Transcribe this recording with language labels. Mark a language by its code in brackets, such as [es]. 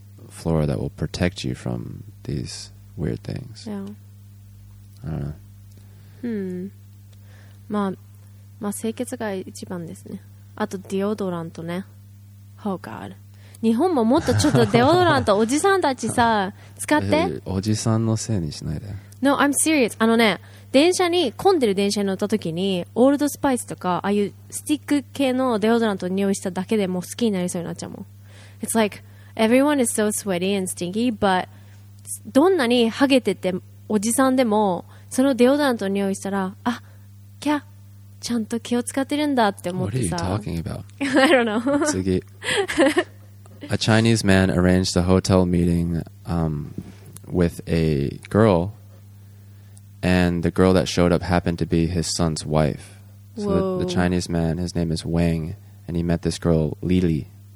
[en] flora that will protect you from these weird things. Yeah. I don't know. Hmm. [ja] まあ清潔が一番ですね。あとディオドラントね。 [en] Oh God. [ja] 日本ももっとちょっとデオドラントおじさんたちさ、使って。おじさんのせいにしないで。 [en] No, I'm serious. [ja] あのね、電車に、混んでる電車に乗った時に、オールドスパイスとか、ああいうスティック系のデオドラントを匂いしただけでもう好きになりそうになっちゃうもん。 [en] It's like, everyone is so sweaty and stinky, but [ja] どんなにハゲてておじさんでも、そのデオドラントを匂いしたら、あ、キャッ。ちゃんと気を使ってるんだって思ってさ。 [en] What are you talking about? I don't know. [ja] 次。 [en] A Chinese man arranged a hotel meeting with a girl, and the girl that showed up happened to be his son's wife. So the Chinese man, his name is Wang, and he met this girl, Lili.